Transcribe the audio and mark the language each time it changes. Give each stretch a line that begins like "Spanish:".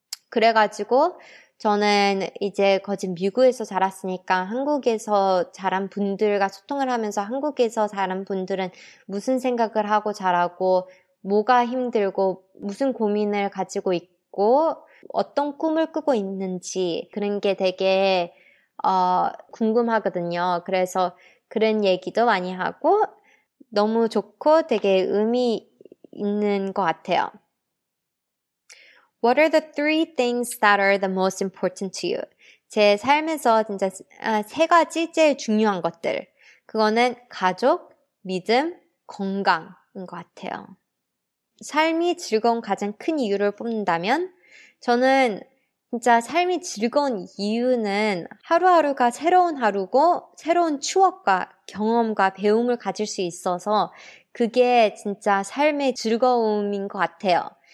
Korean: 그래가지고 저는 이제 거진 미국에서 자랐으니까 한국에서 자란 분들과 소통을 하면서 한국에서 자란 분들은 무슨 생각을 하고 자라고 뭐가 힘들고 무슨 고민을 가지고 있고 어떤 꿈을 꾸고 있는지 그런 게 되게 궁금하거든요. 그래서 그런 얘기도 많이 하고 너무 좋고 되게 의미 있는 것 같아요.
English: What are the three things that are the most important to you?
Korean: 제 삶에서 진짜 세 가지 제일 중요한 것들. 그거는 가족, 믿음, 건강인 것 같아요. 삶이 즐거운 가장 큰 이유를 뽑는다면 저는 진짜 삶이 즐거운 이유는 하루하루가 새로운 하루고 새로운 추억과 경험과 배움을 가질 수 있어서 그게 진짜 삶의 즐거움인 것 같아요.